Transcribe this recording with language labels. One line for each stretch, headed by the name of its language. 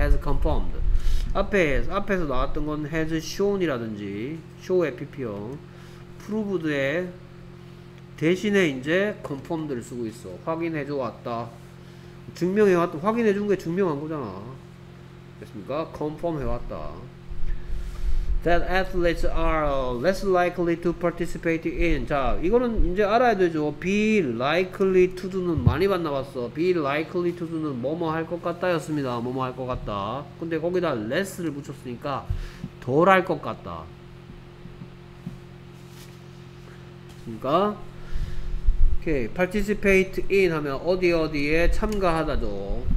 Korean: has confirmed. 앞에서 나왔던 건 has shown 이라든지 show FP형 proved에 대신에 이제 confirmed를 쓰고 있어. 확인해 줘왔다, 증명해 왔다, 확인해 준게 증명한 거잖아. 됐습니까? confirm 해왔다.
English: That athletes are less likely to participate in.
Korean: 자, 이거는 이제 알아야 되죠.
English: Be likely to do
Korean: 는 많이 봤나 봤어. Be likely to do는 뭐뭐 할 것 같다 였습니다. 뭐뭐 할 것 같다. 근데 거기다 less를 붙였으니까 덜 할 것 같다. 그러니까 okay. Participate in 하면 어디 어디에 참가하다죠.